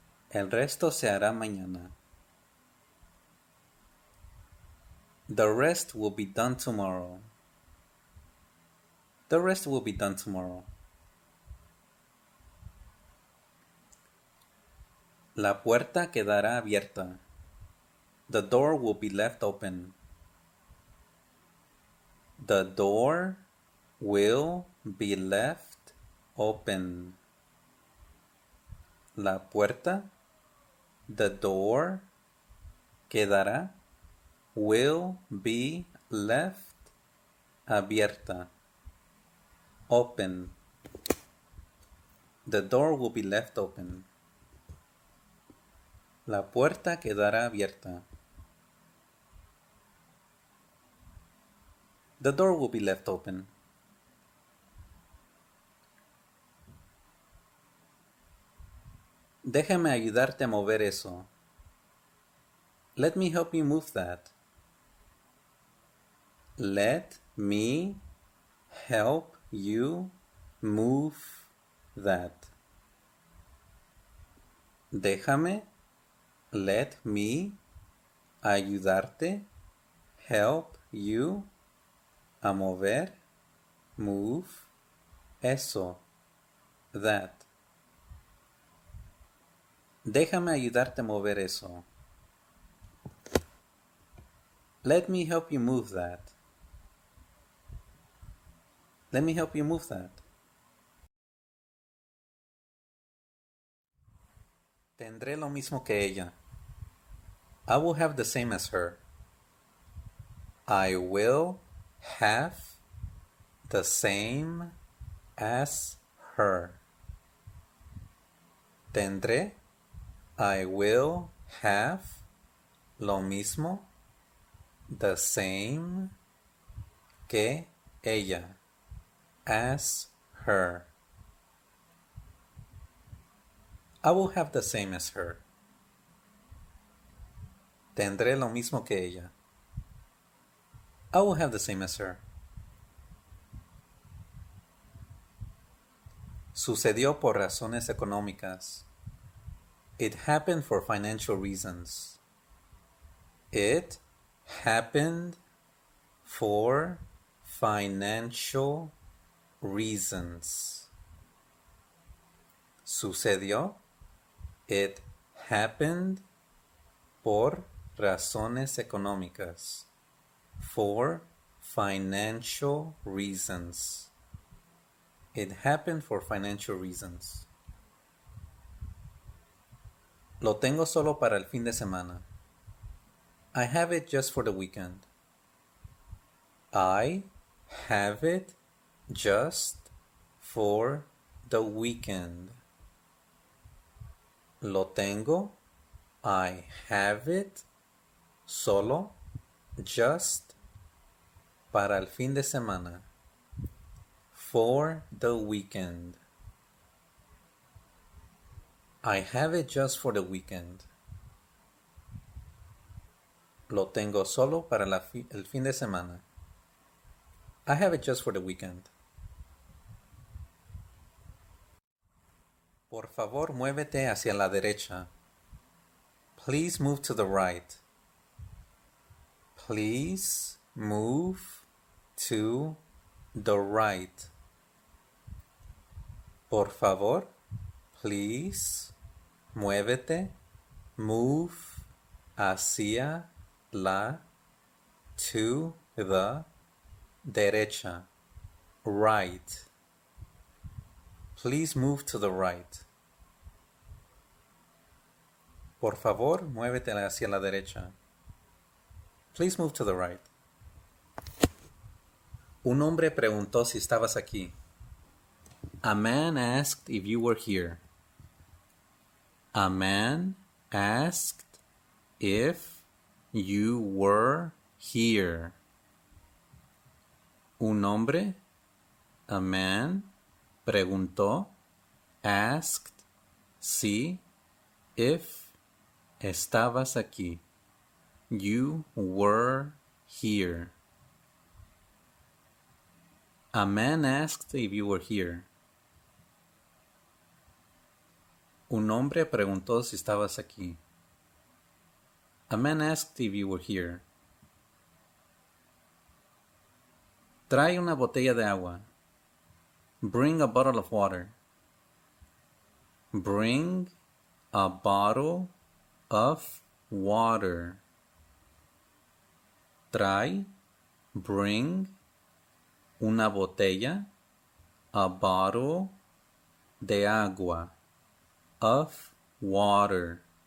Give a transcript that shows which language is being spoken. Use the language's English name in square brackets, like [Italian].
[Spanish] El resto se hará mañana. [English] The rest will be done tomorrow. The rest will be done tomorrow. [Spanish] La puerta quedará abierta. [English] The door will be left open. The door will be left open. [Spanish] La puerta, [English] the door, [Spanish] quedará, [English] will be left [Spanish] abierta. [English] Open. The door will be left open. [Spanish] La puerta quedará abierta. [English] The door will be left open. [Spanish] Déjame ayudarte a mover eso. [English] Let me help you move that. Let me help you move that. [Spanish] Déjame, [English] let me, [Spanish] ayudarte, [English] help you, [Spanish] a mover, [English] move, [Spanish] eso, [English] that. [Spanish] Déjame ayudarte a mover eso. [English] Let me help you move that. Let me help you move that. [Spanish] Tendré lo mismo que ella. [English] I will have the same as her. I will have the same as her. [Spanish] Tendré, [English] I will have [Spanish] lo mismo, [English] the same [Spanish] que ella. [English] As her. I will have the same as her. [Spanish] Tendré lo mismo que ella. [English] I will have the same as her. [Spanish] Sucedió por razones económicas. [English] It happened for financial reasons. It happened for financial reasons. [Spanish] Sucedió. [English] It happened [Spanish] por razones económicas. [English] For financial reasons. It happened for financial reasons. [Spanish] Lo tengo solo para el fin de semana. [English] I have it just for the weekend. I have it just for the weekend. [Spanish] Lo tengo, [English] I have it, [Spanish] solo, [English] just, [Spanish] para el fin de semana. [English] For the weekend. I have it just for the weekend. [Spanish] Lo tengo solo para el fin de semana. [English] I have it just for the weekend. [Spanish] Por favor, muévete hacia la derecha. [English] Please move to the right. Please move to the right. [Spanish] Por favor, [English] please, [Spanish] muévete, [English] move [Spanish] hacia la, [English] to the [Spanish] derecha, [English] right. Please move to the right. [Spanish] Por favor, muévete hacia la derecha. [English] Please move to the right. [Spanish] Un hombre preguntó si estabas aquí. [English] A man asked if you were here. A man asked if you were here. [Spanish] Un hombre, [English] a man, [Spanish] preguntó, [English] asked, [Spanish] si, [English] if, [Spanish] estabas aquí. [English] You were here. A man asked if you were here. [Spanish] Un hombre preguntó si estabas aquí. [English] A man asked if you were here. [Spanish] Trae una botella de agua. [English] Bring a bottle of water. Bring a bottle of water. [Spanish] Trae, [English] bring, [Spanish] una botella, [English] a bottle [Spanish] de agua, [English] of water.